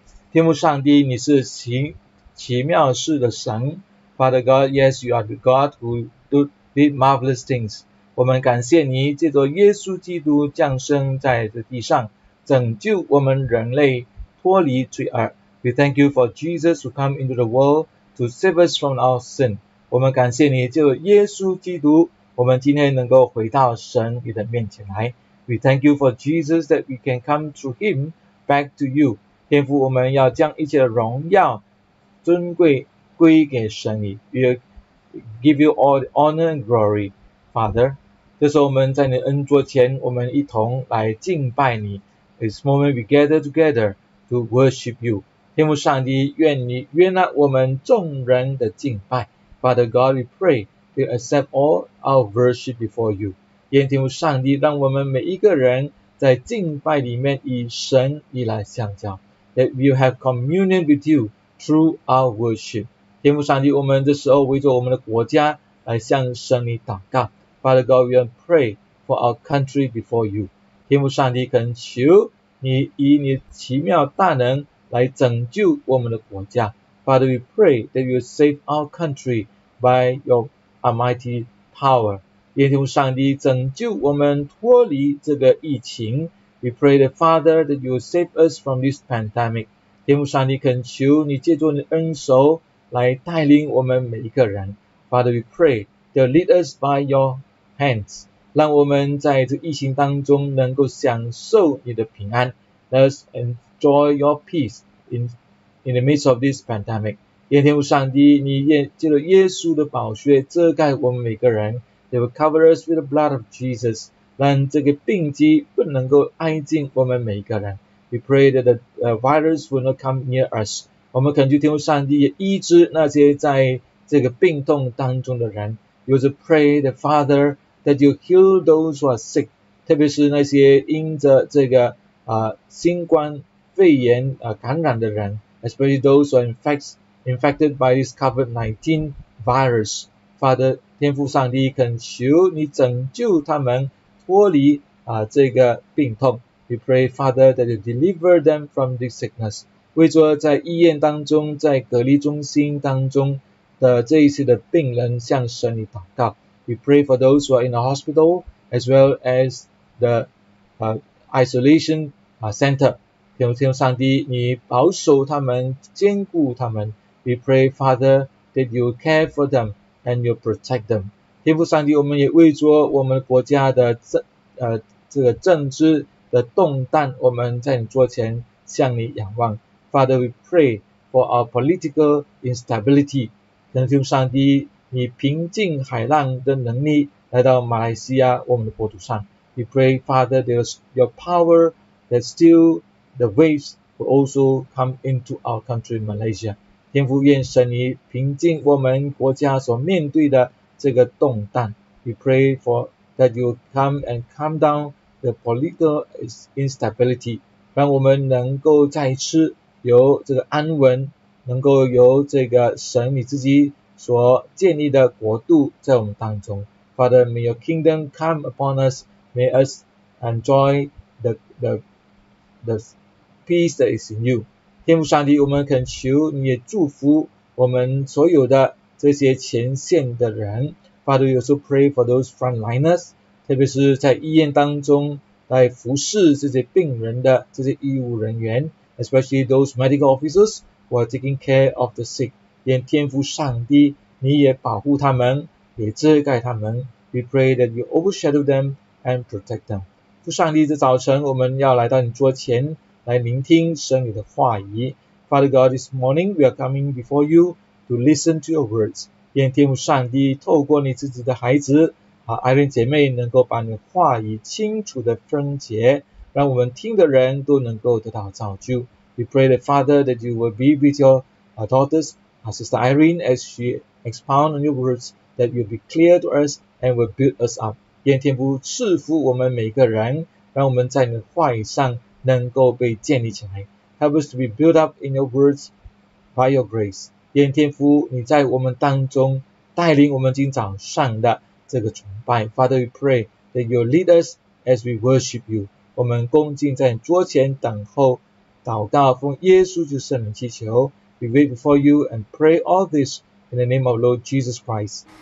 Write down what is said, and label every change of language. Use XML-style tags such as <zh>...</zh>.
<zh>天父上帝，你是奇妙事的神。</zh> <en>Father God, yes, you are the God who do did marvelous things.</en> <zh>我们感谢你，借着耶稣基督降生在这地上，拯救我们人类脱离罪恶。</zh> <en>We thank you for Jesus who come into the world to save us from our sin.</en> <zh>我们感谢你，借着耶稣基督，我们今天能够回到神你的面前来。</zh> <en>We thank you for Jesus that we can come to him back to you.</en> <zh>天父，我们要将一切的荣耀尊贵归给神你。</zh> <en>We give you all the honor and glory, Father.</en> <zh>这时候我们在你恩座前，我们一同来敬拜你。</zh> <en>This moment we gather together to worship you.</en> <zh>天父上帝，愿你悦纳我们众人的敬拜。</zh> <en>Father God, we pray you accept all our worship before you.</en> <zh>愿天父上帝让我们每一个人在敬拜里面以神以来相交。</zh> <en>That we have communion with you through our worship.</en> <zh>天父上帝，我们这时候为着我们的国家来向神你祷告。</zh> <en>Father God, we pray for our country before you.</en> <zh>天父上帝，恳求你以你奇妙大能来拯救我们的国家。</zh> <en>Father, we pray that you save our country by your almighty power.</en> <zh>愿天父上帝拯救我们脱离这个疫情。</zh> <en>We pray the Father that you save us from this pandemic.</en> <zh>天父上帝，恳求你借助你的恩手来带领我们每一个人。</zh> <en>Father, we pray that lead us by your hands.</en> <zh>让我们在这疫情当中能够享受你的平安。</zh> <en>Let us enjoy your peace in the midst of this pandemic.</en> <zh>愿天父上帝，你借助耶稣的宝血遮盖我们每个人。</zh> <en>They will cover us with the blood of Jesus.</en> <zh>让这个病机不能够挨近我们每一个人。</zh> <en>We pray that the virus will not come near us.</en> <zh>我们恳求天父上帝也医治那些在这个病痛当中的人。</zh> <en>We also pray the Father that you heal those who are sick.</en> <zh>特别是那些因着这个新冠肺炎感染的人。</zh> <en>Especially those who are infected infected by this COVID-19 virus. Father,</en> <zh>天父上帝，恳求你拯救他们脱离这个病痛。</zh> <en>We pray, Father, that you deliver them from this sickness.</en> <zh>为着在医院当中，在隔离中心当中的这一些的病人，向神你祷告。</zh> <en>We pray for those who are in the hospital as well as the isolation center.</en> <zh>天父上帝，你保守他们，坚固他们。</zh> <en>We pray, Father, that you care for them and you protect them.</en> <zh>天父上帝，我们也为着我们国家的这个政治的动荡，我们在你桌前向你仰望。</zh> <en>Father, we pray for our political instability.</en> <zh>天父上帝，你平静海浪的能力来到马来西亚我们的国土上。</zh> <en>We pray, Father, that your power that still the waves will also come into our country, Malaysia.</en> <zh>天父，愿神你平静我们国家所面对的这个动荡。</zh> <en>We pray for that you come and calm down the political instability,</en> <zh>让我们能够再次由这个安稳，能够由这个神你自己所建立的国度在我们当中。</zh> <en>Father, may your kingdom come upon us, may us enjoy the peace that is in you.</en> <zh>天父上帝，我们恳求你也祝福我们所有的这些前线的人。</zh> <en>Father, we also pray for those frontliners,</en> <zh>特别是在医院当中来服侍这些病人的这些医务人员，</zh> <en>especially those medical officers who are taking care of the sick.</en> <zh>愿天父上帝你也保护他们，也遮盖他们。</zh> <en>We pray that you overshadow them and protect them.</en> <zh>父上帝，这早晨我们要来到你桌前来聆听神你的话语。</zh> <en>Father God, this morning we are coming before you to listen to your words.</en> <zh>愿天父上帝透过你自己的孩子和爱人姐妹能够把你的话语清楚的分解，让我们听的人都能够得到造就。</zh> <en>We pray that Father that you will be with your daughters, Sister Irene, as she expound on your words, that you'll be clear to us and will build us up.</en> <zh>愿天父赐福我们每个人，让我们在你的话语上能够被建立起来。</zh> <en>Help us to be built up in your words by your grace.</en> <zh>愿天父你在我们当中带领我们今早上的这个崇拜。</zh> <en>Father, we pray that you lead us as we worship you.</en> <zh>我们恭敬在桌前等候祷告，奉耶稣就圣名祈求。</zh> <en>We wait before you and pray all this in the name of Lord Jesus Christ.</en>